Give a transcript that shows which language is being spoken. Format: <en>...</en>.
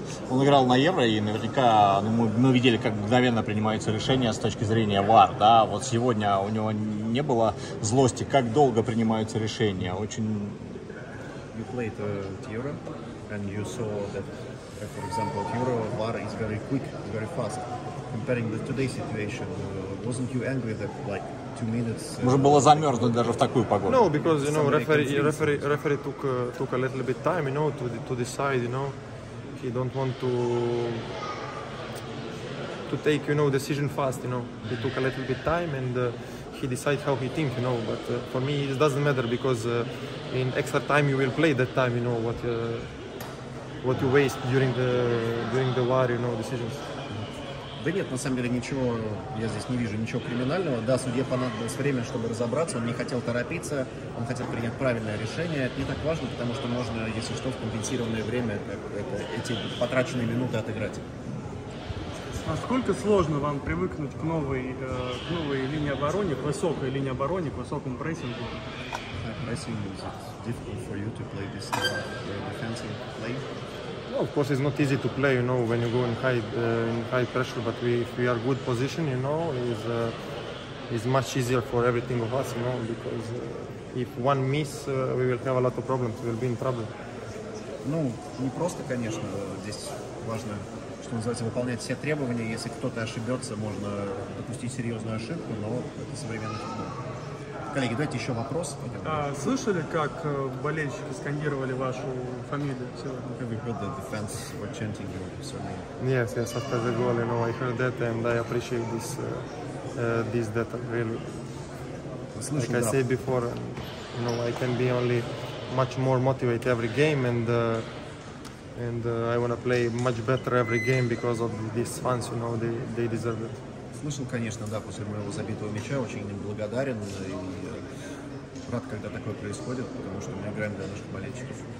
<ru>Он играл на Евро, и наверняка мы видели, как мгновенно принимаются решения с точки зрения ВАР. Да? Вот сегодня у него не было злости, как долго принимаются решения. Очень...</ru> <en>You played at Euro, and you saw that, for example, at Euro, VAR is very quick, very fast. Comparing the today's situation, wasn't you angry that, like,</en> <ru>Может было замерзнуть даже в такую погоду.</ru> <en>No, because you know referee took a little bit time, you know, to decide, you know, he don't want to take, you know, decision fast, you know, he took a little bit time and he decide how he think, you know, but for me it doesn't matter because in extra time you will play that time, you know, what you waste during the VAR, you know, decisions.</en> <ru>Да нет, на самом деле ничего, я здесь не вижу ничего криминального. Да, судье понадобилось время, чтобы разобраться, он не хотел торопиться, он хотел принять правильное решение. Это не так важно, потому что можно, если что, в компенсированное время эти потраченные минуты отыграть. Насколько сложно вам привыкнуть к новой линии обороны, к высокой линии обороны, к высокому прессингу?</ru> <en>Прессинг, is it difficult for you to play this defensive play? Well, of course, it's not easy to play, you know, when you go in high pressure. But if we are good position, you know, is much easier for every single of us, you know, because if one miss, we will have a lot of problems. We will be in trouble.</en> <ru>Ну, не просто, конечно, здесь важно, что называется, выполнять все требования. Если кто-то ошибется, можно допустить серьезную ошибку, но это современный футбол. Коллеги, давайте еще вопрос. Слышали, как болельщики скандировали вашу фамилию?</ru> <en>Have you heard that the fans were chanting your surname? Yes, yes, after the goal, you know, I heard that and I appreciate this, this data, really. Like I said before, you know, I can be only much more motivated every game and I want to play much better every game because of these fans, you know, they deserve it.</en> <ru>Слышал, конечно, да, после моего забитого мяча, очень им благодарен и рад, когда такое происходит, потому что мы играем для наших болельщиков.</ru>